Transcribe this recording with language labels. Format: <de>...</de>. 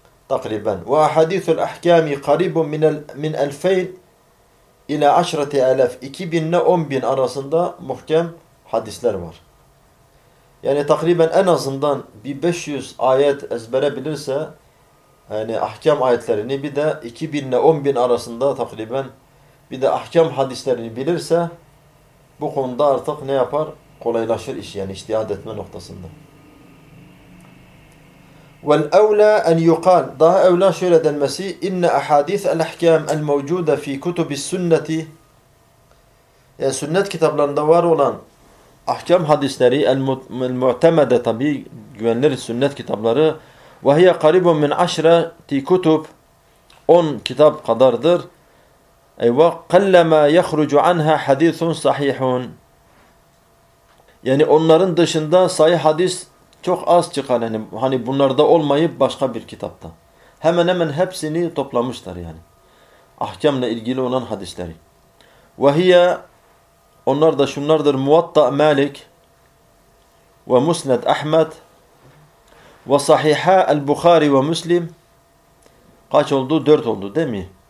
<ar>تقريبا وحديث الاحكام قريب من من 2000 الى 10000</ar> <tr>2000 ile 10000 arasında muhkem hadisler var. Yani takriben en azından bir 500 ayet ezbere bilirse, yani ahkam ayetlerini, bir de 2000 ile 10000 arasında takriben, bir de ahkam hadislerini bilirse bu konuda artık ne yapar? Kolaylaşır iş, yani içtihad etme noktasında.</tr> <ar>وَالْاَوْلَى اَنْ يُقَالْ.</ar> <tr>Daha evlâ şöyle denmesi.</tr> <ar>اِنَّ اَحَادِيثَ الْاَحْكَامَ الْمَوْجُودَ ف۪ي كُتُبِ السُنَّةِ.</ar> <tr>Yani sünnet kitaplarında var olan ahkam hadisleri, el-mu'temede tabi güvenilir sünnet kitapları.</tr> <ar>وَهِيَ قَرِبٌ مِنْ عَشْرَةِ كُتُبٍ.</ar> <tr>10 kitap kadardır.</tr> <ar>اَيْوَقْ قَلَّمَا يَخْرُجُ عَنْهَا حَدِيثٌ صَحِيحٌ.</ar> <tr>Yani onların dışında sahih hadis çok az çıkan, yani hani bunlarda olmayıp başka bir kitapta. Hemen hemen hepsini toplamışlar yani. Ahkamla ilgili olan hadisleri. وَهِيَ. Onlar da şunlardır.</tr> <ar>مُوَطَّ مَالِك وَمُسْنَدْ أَحْمَدْ وَصَحِحَا الْبُخَارِ وَمُسْلِمْ.</ar> <tr>Kaç oldu? 4 oldu değil mi?</tr>